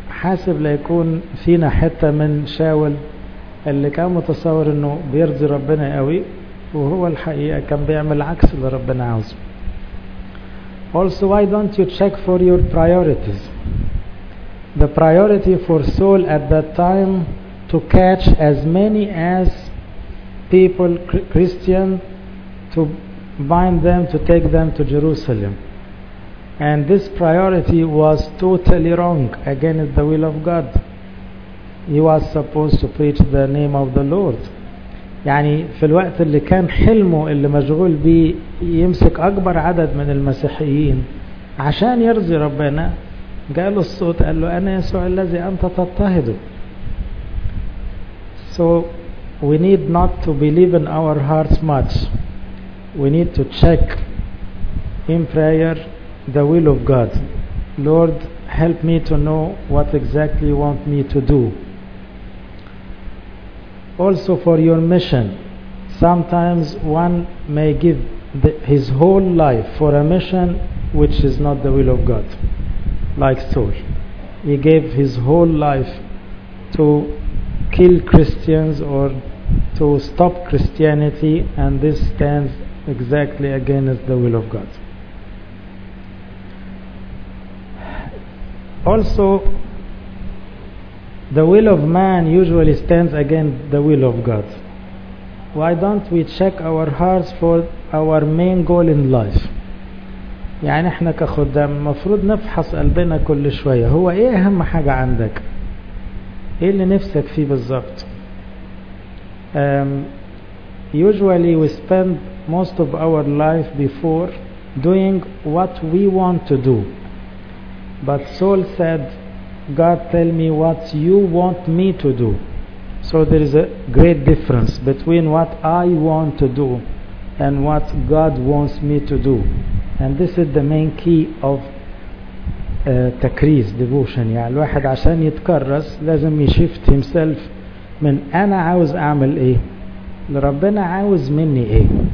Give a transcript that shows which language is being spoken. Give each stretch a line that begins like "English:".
Arabic: حاسب لا يكون فينا حتة من شاول اللي كان متصور انه بيرضي ربنا قوي وهو الحقيقة كان بيعمل عكس اللي ربنا عاوزه.
English: Also, why don't you check for your priorities? The priority for Saul at that time to catch as many as people, Christian, to bind them, to take them to Jerusalem. And this priority was totally wrong, against the will of God. He was supposed to preach the name of the Lord.
Arabic: يعني في الوقت اللي كان حلمه اللي مشغول به يمسك أكبر عدد من المسيحيين عشان يرضي ربنا، قال الصوت قال له أنا يسوع الذي أنت تضطهده.
English: So we need not to believe in our hearts much. We need to check in prayer the will of God. Lord, help me to know what exactly you want me to do. Also for your mission, sometimes one may give his whole life for a mission which is not the will of God, like Saul. He gave his whole life to kill Christians or to stop Christianity, and this stands exactly against the will of God. Also, the will of man usually stands against the will of God. Why don't we check our hearts for our main goal in life?
Arabic: يعني احنا كخدام مفروض نفحص قلبنا كل شوية، هو ايه اهم حاجة عندك؟ ايه اللي نفسك فيه بالظبط؟
English: Usually we spend most of our life before doing what we want to do. But Saul said, God tell me what you want me to do. So there is a great difference between what I want to do and what God wants me to do. And this is the main key of تكريس devotion.
Arabic: يعني الواحد عشان يتكرس لازم يشفت
English: himself
Arabic: من أنا عاوز أعمل إيه لربنا عاوز مني إيه.